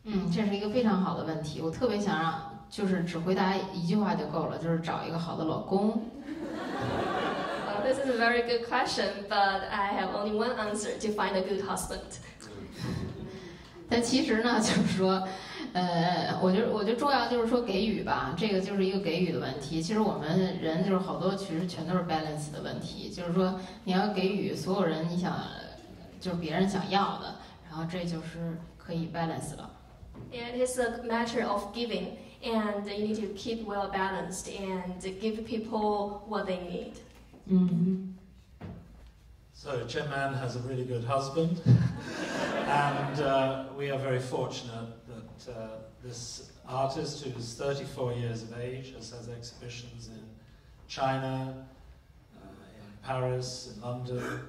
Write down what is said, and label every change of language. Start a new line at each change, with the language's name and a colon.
Chinese: 这是一个非常好的问题，我特别想让，就是只回答一句话就够了，就是找一个好的老公。
English: This is a very good question, but I have only one answer, to find a good husband.
Chinese: 但其实呢，就是说，我觉得重要就是说给予吧，这个就是一个给予的问题。其实我们人就是好多，其实全都是 balance 的问题，就是说你要给予所有人你想，就是别人想要的，然后这就是可以 balance 了。
English: It is a matter of giving, and you need to keep well balanced and give people what they need. Mm-hmm. So, Chen Man has a really good husband, and we are very fortunate that this artist, who is 34 years of age, has exhibitions in China, in Paris, in London.